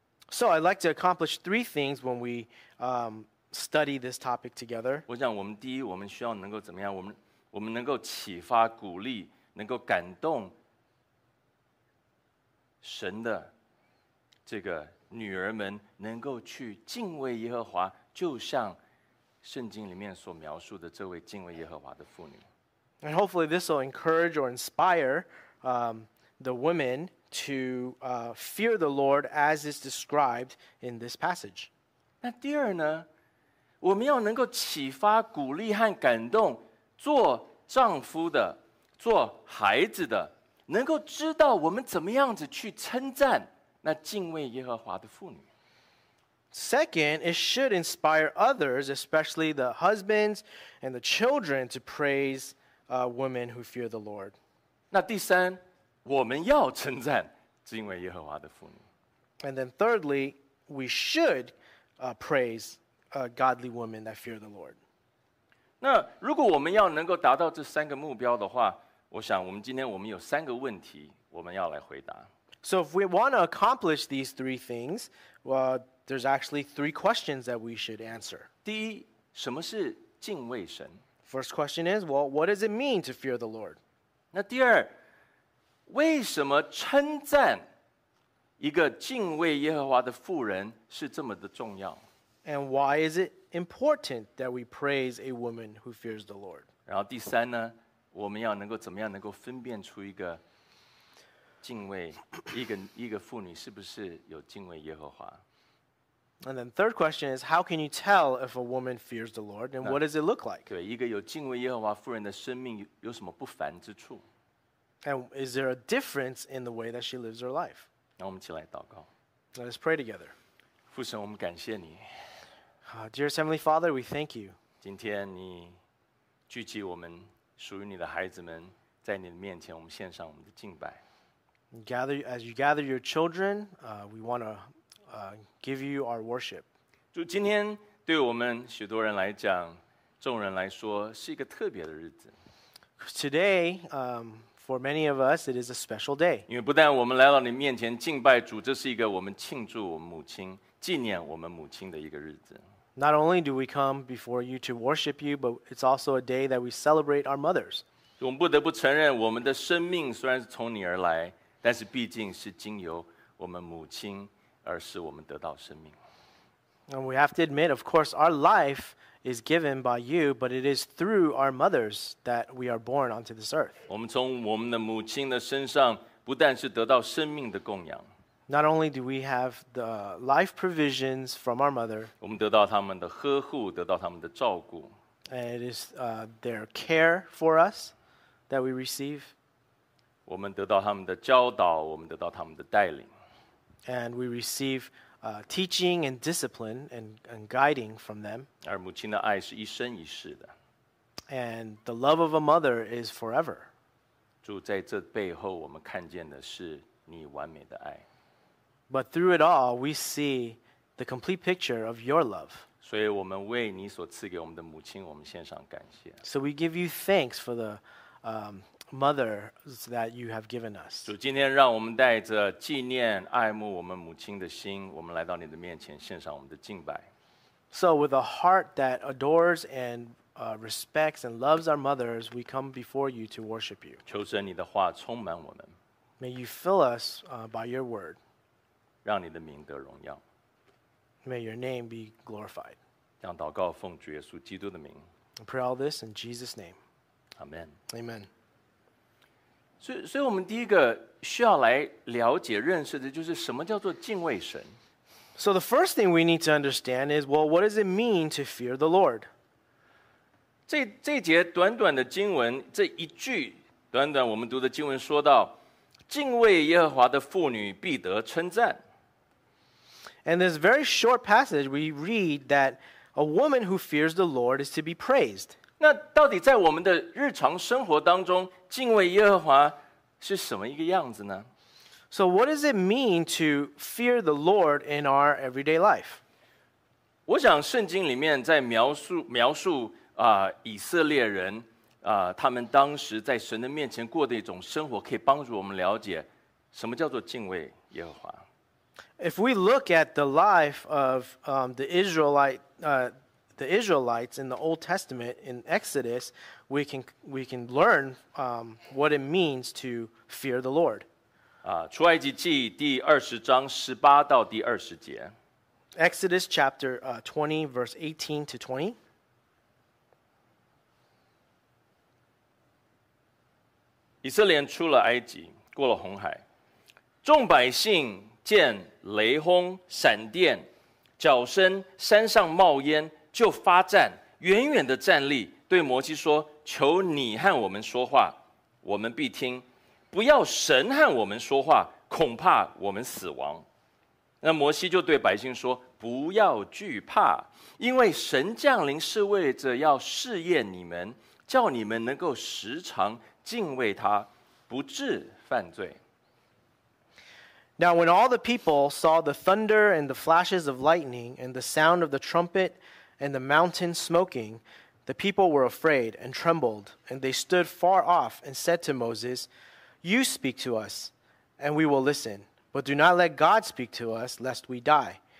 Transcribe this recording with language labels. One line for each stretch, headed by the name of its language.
English: So I'd like to accomplish three things when we study this topic together.
Chinese: 我想我们第一，我们需要能够怎么样？我们能够启发、鼓励、能够感动神的这个女儿们，能够去敬畏耶和华，就像圣经里面所描述的这位敬畏耶和华的妇女。
English: And hopefully this will encourage or inspire the women to fear the Lord as is described in this passage.
Chinese: 那第二呢，我们要能够启发、鼓励和感动做丈夫的、做孩子的，能够知道我们怎么样子去称赞那敬畏耶和华的妇女。
English: Second, it should inspire others, especially the husbands and the children, to praise women who fear the Lord.
Chinese: 那第三，我们要称赞敬畏耶和华的妇女。
English: And then thirdly, we should praise godly women that fear the Lord.
Chinese: 那如果我们要能够达到这三个目标的话，我想我们今天我们有三个问题我们要来回答。
English: So if we want to accomplish these three things, well, there's actually three questions that we should answer.
Chinese: 第一，什么是敬畏神？
English: First question is, well, what does it mean to fear the Lord?
Chinese: 那第二，为什么称赞一个敬畏耶和华的妇人是这么的重要？
English: And why is it important that we praise a woman who fears the Lord?
Chinese: 然后第三呢，我们要能够怎么样能够分辨出一个敬畏一个妇女是不是有敬畏耶和华？
English: And then third question is, how can you tell if a woman fears the Lord, and what does it look like?
Chinese: 对，一个有敬畏耶和华妇人的生命有什么不凡之处？
English: And is there a difference in the way that she lives her life?
Chinese: 那我们起来祷告。
English: Let us pray together.
Chinese: 父神，我们感谢你。
English: Dear Heavenly Father, we thank you.
Chinese: 今天你聚集我们属于你的孩子们，在你的面前，我们献上我们的敬拜。
English: Gather as you gather your children, we want to give you our worship.
Chinese: 就今天对我们许多人来讲，众人来说是一个特别的日子。
English: Today, For many of us, it is a special day.
Chinese: 因为不但我们来到你面前敬拜主，这是一个我们庆祝我们母亲、纪念我们母亲的一个日子。
English: Not only do we come before you to worship you, but it's also a day that we celebrate our mothers.
Chinese: 我们不得不承认，我们的生命虽然是从你而来，但是毕竟是经由我们母亲而使我们得到生命。
English: And we have to admit, of course, our life is given by you, but it is through our mothers that we are born onto this earth.
Chinese: 我们从我们的母亲的身上不但是得到生命的供养。
English: Not only do we have the life provisions from our mother,
Chinese: 我们得到他们的呵护，得到他们的照顾。
English: And it is their care for us that we receive.
Chinese: 我们得到他们的教导，我们得到他们的带领。
English: And we receive teaching and discipline and guiding from them.
Chinese: 而母亲的爱是一生一世的。
English: And the love of a mother is forever.
Chinese: 主，在这背后我们看见的是你完美的爱。
English: But through it all, we see the complete picture of your love.
Chinese: 所以我们为你所赐给我们的母亲，我们献上感谢。
English: So we give you thanks for the mothers that you have given us.
Chinese: 主，今天让我们带着纪念、爱慕我们母亲的心，我们来到你的面前，献上我们的敬拜。
English: So with a heart that adores and respects and loves our mothers, we come before you to worship you.
Chinese: 求神你的话充满我们。
English: May you fill us by your word.
Chinese: 让你的名得荣耀。
English: May your name be glorified.
Chinese: 这样祷告奉主耶稣基督的名。
English: I pray all this in Jesus' name. Amen. Amen.
Chinese: 所以我们第一个需要来了解认识的就是什么叫做敬畏神。
English: So the first thing we need to understand is, well, what does it mean to fear the Lord?
Chinese: 这节短短的经文，这一句短短我们读的经文说到，敬畏耶和华的妇女必得称赞。
English: And this very short passage, we read that a woman who fears the Lord is to be praised.
Chinese: 那到底在我们的日常生活当中，敬畏耶和华是什么一个样子呢？
English: So what does it mean to fear the Lord in our everyday life?
Chinese: 我想圣经里面在描述以色列人他们当时在神的面前过的一种生活，可以帮助我们了解什么叫做敬畏耶和华。
English: If we look at the life of the Israelites in the Old Testament in Exodus, we can learn what it means to fear the Lord.
Chinese: 出埃及记第二十章十八到第二十节。
English: Exodus chapter 20 verse 18 to 20.
Chinese: 以色列出了埃及，过了红海，众百姓见雷轰、闪电、脚声、山上冒烟，就发战，远远的站立，对摩西说：“求你和我们说话，我们必听；不要神和我们说话，恐怕我们死亡。” 那摩西就对百姓说：“不要惧怕，因为神降临是为着要试验你们，叫你们能够时常敬畏他，不致犯罪。
English: Now, when all the people saw the thunder and the flashes of lightning and the sound of the trumpet and the mountain smoking, the people were afraid and trembled, and they stood far off and said to Moses, You speak to us, and we will listen, but do not let God speak to us, lest we die.